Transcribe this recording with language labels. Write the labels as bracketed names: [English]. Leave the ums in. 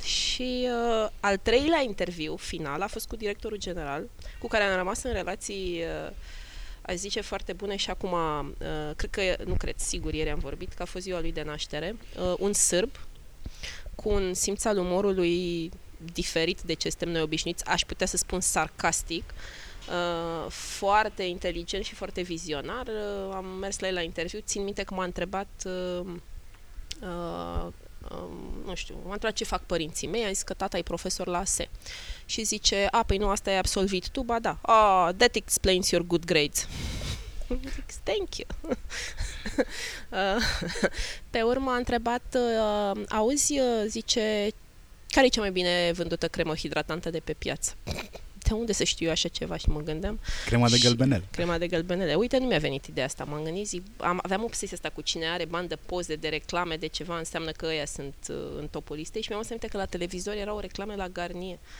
[Romanian] Și uh, al treilea interviu final a fost cu directorul general, cu care am rămas în relații, uh, aș zice, foarte bune și acum, uh, cred că, nu cred, sigur, ieri am vorbit, că a fost ziua lui de naștere, uh, un sârb cu un simț al umorului diferit de ce suntem noi obișnuiți, aș putea să spun sarcastic, uh, Uh, foarte inteligent și foarte vizionar. Uh, am mers la el la interviu. Țin minte că m-a întrebat uh, uh, uh, nu știu, m-a întrebat ce fac părinții mei, a zis că tata e profesor la S. Și zice, a, ah, păi nu, asta e absolvit tu, ba da. [English] Oh, that explains your good grades. [Romanian] zice, [English] Thank you. [Romanian] uh, pe urmă a întrebat, auzi, zice, care e cea mai bine vândută cremă hidratantă de pe piață? de unde să știu eu așa ceva și mă gândeam. Crema de și gălbenel. Crema de gălbenele. Uite, nu mi-a venit ideea asta. M-am gândit, zic, am, aveam obsesia asta cu cine are bani de poze, de reclame, de ceva, înseamnă că ăia sunt uh, în topul listei și mi-am să că la televizor era o reclame la Garnier.